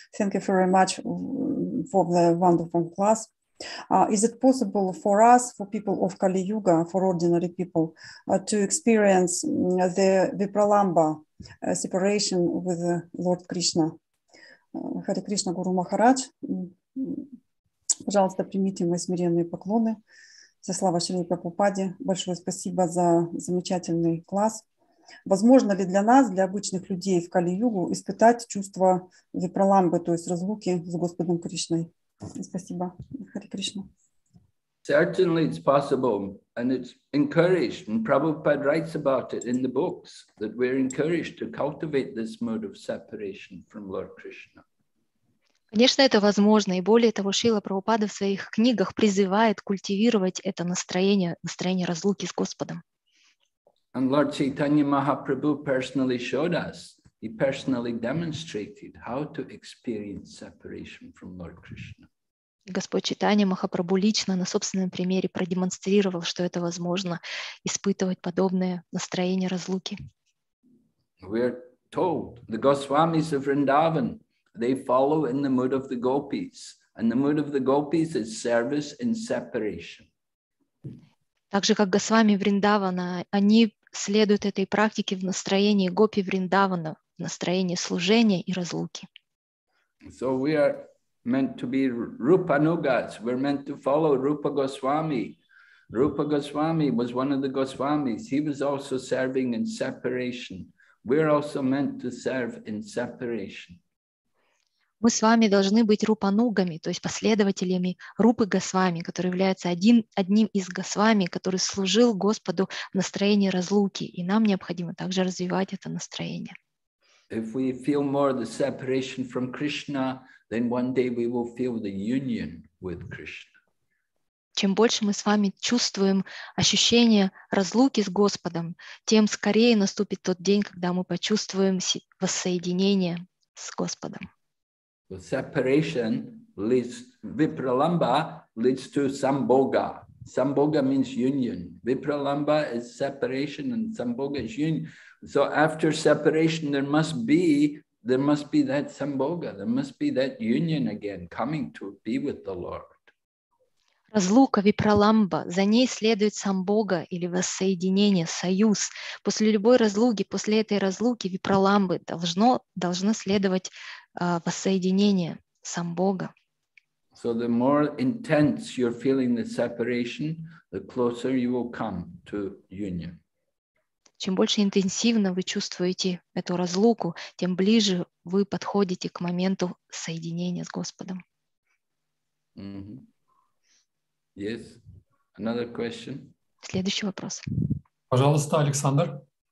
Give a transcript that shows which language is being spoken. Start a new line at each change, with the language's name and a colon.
English: Thank you very much for the wonderful class. Is it possible for us, for people of Kali Yuga, for ordinary people, to experience the Vipralamba, separation with Lord Krishna? Hare Krishna, Guru Maharaj.
Russian: Пожалуйста, примите мои смиренные поклоны. Со слава Шри Прабхупаде. Большое спасибо за замечательный класс. Возможно ли для нас, для обычных людей в Кали-югу, испытать чувство випраламбы, то есть разлуки с Господом Кришной? Спасибо. Харе Кришна.
English: Certainly it's possible, and it's encouraged, and Prabhupada writes about it in the books, that we're encouraged to cultivate this mode of separation from Lord Krishna.
Russian: Конечно, это возможно, и более того, Шрила Прабхупада в своих книгах призывает культивировать это настроение, настроение разлуки с Господом.
English: And Lord Chaitanya Mahaprabhu personally showed us, he personally demonstrated how to experience separation from Lord Krishna.
Russian: Господь Чайтанья Махапрабху лично на собственном примере продемонстрировал, что это возможно испытывать подобное настроение разлуки.
English: We are told the Goswamis of Vrindavan, they follow in the mood of the gopis, and the mood of the gopis is service and separation.
Russian: Также как Госвами Вриндавана, они следуют этой практике в настроении гопи Вриндавана, в настроении служения и разлуки.
English: So we are meant to be Rupa Nugas. We're meant to follow Rupa Goswami. Rupa Goswami was one of the Goswamis. He was also serving in separation. We're also meant to serve in separation.
Russian: Мы с вами должны быть рупанугами, то есть последователями Рупы Госвами, который является один, одним из Госвами, который служил Господу в настроении разлуки. И нам необходимо также развивать это настроение.
English: If we feel more the separation from Krishna, then one day we will feel the union with Krishna.
Russian: Чем больше мы с вами чувствуем ощущение разлуки с Господом, тем скорее наступит тот день, когда мы почувствуем воссоединение с Господом.
English: The separation leads, vipralamba leads to samboga. Samboga means union. Vipralamba is separation and samboga is union. So after separation, there must be that samboga. There must be that union again, coming to be with the Lord.
Russian: Разлука, випраламба, за ней следует самбога или воссоединение, союз. После любой разлуки, после этой разлуки, випраламбы должно следовать воссоединение, самбога.
English: So the more intense you're feeling the separation, the closer you will come to union.
Russian: Чем больше интенсивно вы чувствуете эту разлуку, тем ближе вы подходите к моменту соединения с Господом.
English: Mm-hmm. Yes. Another question.
Russian: Следующий вопрос. Пожалуйста, Александр.